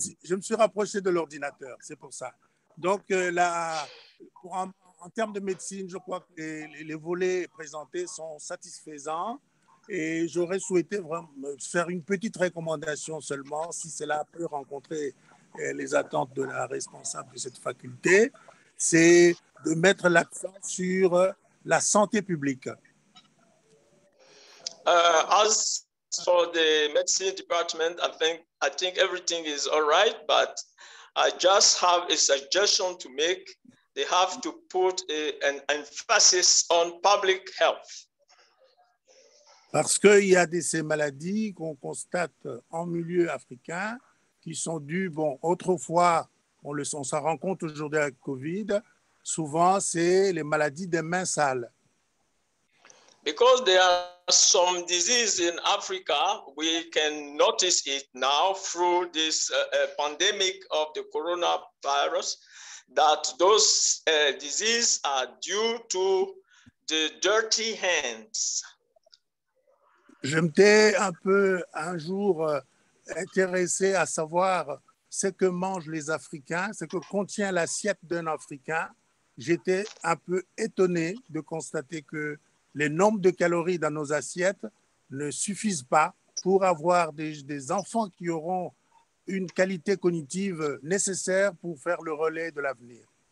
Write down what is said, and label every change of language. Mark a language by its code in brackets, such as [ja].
[fr] Je me suis rapproché de l'ordinateur, c'est pour ça. Donc, en termes de médecine, je crois que les volets présentés sont satisfaisants. Et j'aurais souhaité vraiment faire une petite recommandation seulement, si cela peut rencontrer les attentes de la responsable de cette faculté, c'est de mettre l'accent sur la santé publique. [en] As for the medicine department, I think everything is all right, but I just have a suggestion to make. They have to put an emphasis on public health. [fr] Parce qu'il y a ces maladies qu'on constate en milieu africain qui sont dues, bon, autrefois, on s'en rend compte aujourd'hui avec COVID, souvent c'est les maladies des mains sales. [en] Because there are some diseases in Africa, we can notice it now through this pandemic of the coronavirus, that those diseases are due to the dirty hands. [fr] Je m'étais un peu un jour intéressé à savoir ce que mangent les Africains, ce que contient l'assiette d'un Africain. J'étais un peu étonné de constater que les nombres de calories dans nos assiettes ne suffisent pas pour avoir des enfants qui auront une qualité cognitive nécessaire pour faire le relais de l'avenir.